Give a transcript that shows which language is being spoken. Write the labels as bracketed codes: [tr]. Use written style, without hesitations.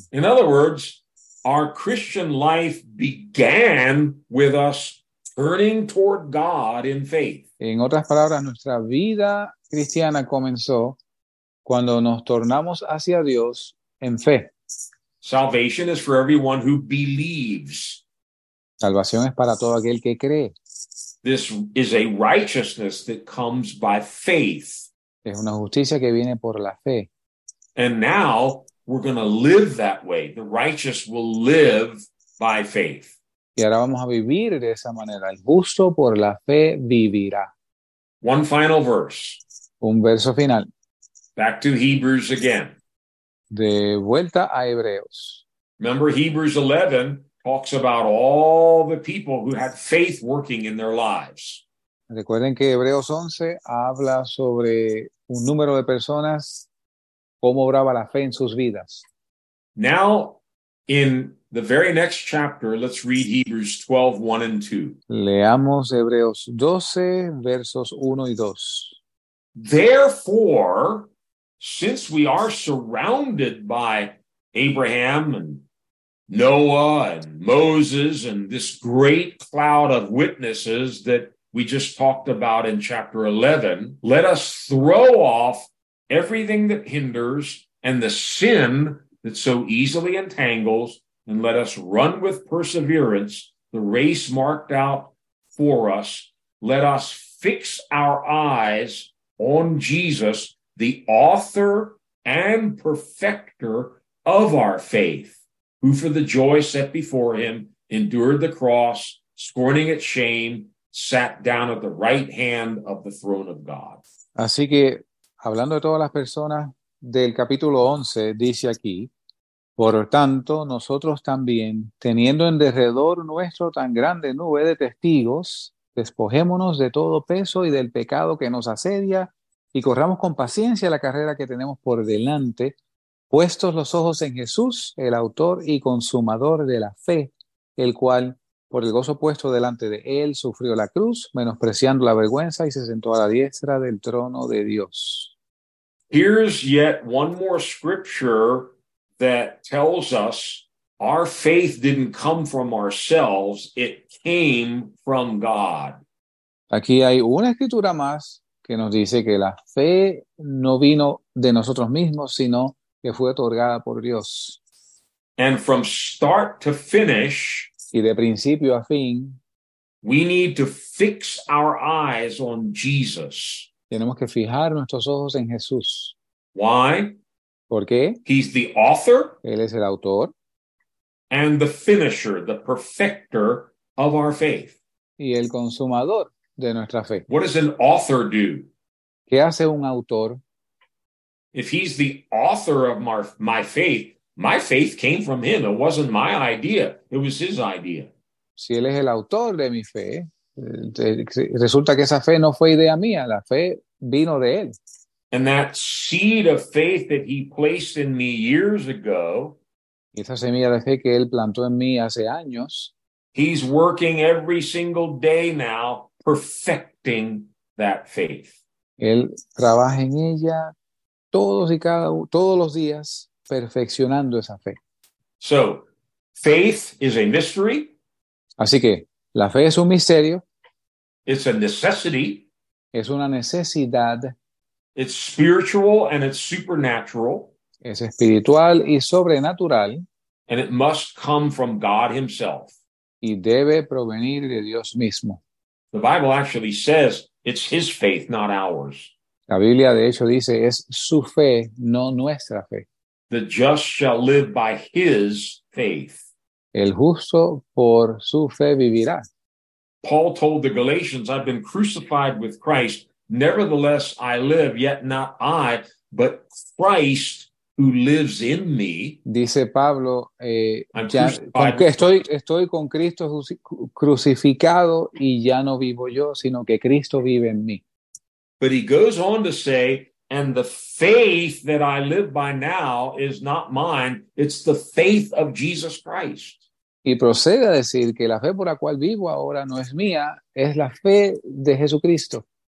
[en] In other words, our Christian life began with us turning toward God in faith. [es] En otras palabras, nuestra vida cristiana comenzó cuando nos tornamos hacia Dios en fe. [en] Salvation is for everyone who believes. [es] Salvación es para todo aquel que cree. [en] This is a righteousness that comes by faith. [es] Es una justicia que viene por la fe. [en] And now we're going to live that way. The righteous will live by faith. [es] Y ahora vamos a vivir de esa manera. El justo por la fe vivirá. [en] One final verse. [es] Un verso final. [en] Back to Hebrews again. [es] De vuelta a Hebreos. [en] Remember Hebrews 11. Talks about all the people who had faith working in their lives. [es] Recuerden que Hebreos 11 habla sobre un número de personas, cómo obraba la fe en sus vidas. [en] Now, in the very next chapter, let's read Hebrews 12, 1 and 2. [es] Leamos Hebreos 12, versos 1 y 2. [en] Therefore, since we are surrounded by Abraham and Noah and Moses and this great cloud of witnesses that we just talked about in chapter 11, let us throw off everything that hinders and the sin that so easily entangles, and let us run with perseverance the race marked out for us. Let us fix our eyes on Jesus, the author and perfecter of our faith, who for the joy set before him endured the cross, scorning its shame, sat down at the right hand of the throne of God. [es] Así que, hablando de todas las personas del capítulo 11, dice aquí, por tanto, nosotros también, teniendo en derredor nuestro tan grande nube de testigos, despojémonos de todo peso y del pecado que nos asedia, y corramos con paciencia la carrera que tenemos por delante, puestos los ojos en Jesús, el autor y consumador de la fe, el cual, por el gozo puesto delante de él, sufrió la cruz, menospreciando la vergüenza, y se sentó a la diestra del trono de Dios. [en] Here's yet one more scripture that tells us our faith didn't come from ourselves, it came from God. [es] Aquí hay una escritura más que nos dice que la fe no vino de nosotros mismos, sino que fue otorgada por Dios. [en] And from start to finish, [es] y de principio a fin, [en] we need to fix our eyes on Jesus. [es] Tenemos que fijar nuestros ojos en Jesús. [en] Why? [es] ¿Por qué? [en] He's the author. [es] Él es el autor. [en] And the finisher, the perfecter of our faith. [es] Y el consumador de nuestra fe. [en] What does an author do? [es] ¿Qué hace un autor? [en] If he's the author of my faith, my faith came from him. It wasn't my idea. It was his idea. [es] Si él es el autor de mi fe, resulta que esa fe no fue idea mía. La fe vino de él. [en] And that seed of faith that he placed in me years ago, [es] esa semilla de fe que él plantó en mí hace años, [en] he's working every single day now, perfecting that faith. [es] Él trabaja en ella todos los días, perfeccionando esa fe. [en] So, faith is a mystery. [es] Así que, la fe es un misterio. [en] It's a necessity. [es] Es una necesidad. [en] It's spiritual and it's supernatural. [es] Es espiritual y sobrenatural. [en] And it must come from God himself. [es] Y debe provenir de Dios mismo. [en] The Bible actually says it's his faith, not ours. [es] La Biblia de hecho dice, es su fe, no nuestra fe. [en] The just shall live by his faith. [es] El justo por su fe vivirá. [en] Paul told the Galatians, I've been crucified with Christ. Nevertheless, I live, yet not I, but Christ who lives in me. [es] Dice Pablo, estoy con Cristo crucificado y ya no vivo yo, sino que Cristo vive en mí. [en] But he goes on to say, and the faith that I live by now is not mine, it's the faith of Jesus Christ. [es] Y procede a decir que la fe por la cual vivo ahora no es mía, es la fe de Jesucristo.